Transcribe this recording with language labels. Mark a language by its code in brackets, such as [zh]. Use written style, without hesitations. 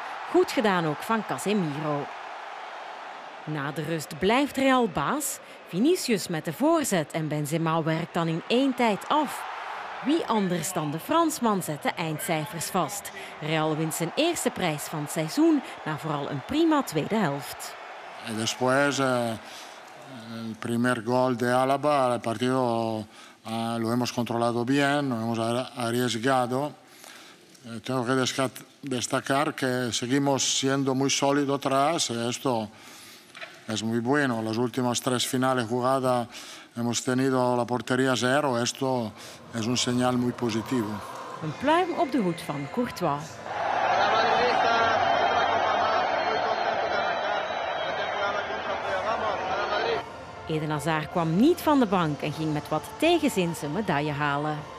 [nl] Goed gedaan ook van Casemiro. Na de rust blijft Real baas. Vinicius met de voorzet en Benzema werkt dan in één tijd af. Wie anders dan de Fransman zet de eindcijfers vast. Real wint zijn eerste prijs van het seizoen na vooral een prima tweede helft. [es] En después, el primer gol de Alaba, el partido... lo hemos controlado bien, lo hemos arriesgado. Tengo que destacar que seguimos siendo muy sólido atrás. Esto es muy bueno. Las últimas 3 finales jugadas hemos tenido la portería 0. Esto es un señal muy positivo. [nl] Een pluim op de hoed van Courtois. Eden Hazard kwam niet van de bank en ging met wat tegenzin zijn medaille halen.